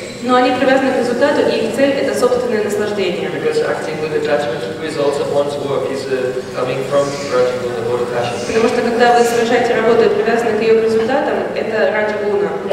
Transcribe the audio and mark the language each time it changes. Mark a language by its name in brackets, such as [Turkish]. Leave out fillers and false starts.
[Russian] Но они привязаны к результату, и их цель — это собственное наслаждение. [English] Because acting with attachment to results of one's work is coming from Rajaguna or attachment. [Russian] Потому что когда вы совершаете работу и привязаны к ее результатам, это Раджагуна.